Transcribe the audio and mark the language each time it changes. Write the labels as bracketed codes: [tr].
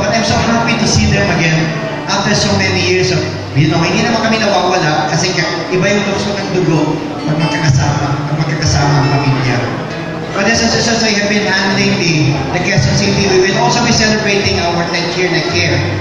[en] But I'm so happy to see them again after so many years of... You know, [tl] hindi naman kami nawawala kasi iba yung tukso ng dugo pag magkakasama ang pamilya. [en] But this is just I have been handling the guests of CD. We will also be celebrating our 10th year next year.